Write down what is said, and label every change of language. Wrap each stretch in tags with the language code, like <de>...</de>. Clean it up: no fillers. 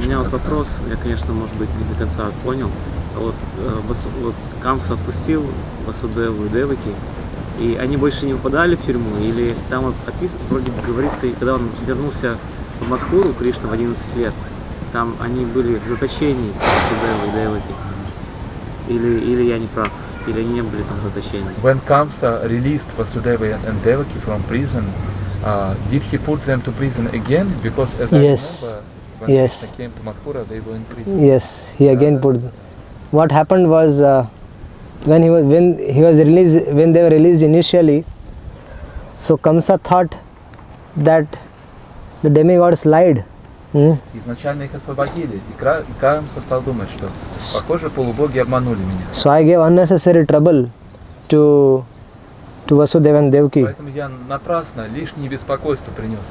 <ru>У меня вот вопрос, я, конечно, может быть, не до конца понял. Вот Камса отпустил Васудеву и Деваки, и они больше не попадали в тюрьму? Или там вот описано, вроде бы говорится, и когда он вернулся в Мадхуру, Кришна в 11 лет, там они были в заточении, Васудеву и Деваки. Или я не прав, или они не были там в заточении.</ru> <en>When Kamsa released Vasudeva and Devaki from prison, did he put them to prison again? Because as yes. I remember, when yes. they came to Mathura, they were in prison. Yes, he again put them. What happened was when they were released initially, so Kamsa thought that the demigods lied.</en> <ru>Изначально их освободили, и Камса стал думать, что похоже, полубоги обманули меня.</ru> <en>So I gave unnecessary trouble to Vasudeva and Devaki.</en> <ru>Поэтому я напрасно лишнее беспокойство принес.</ru>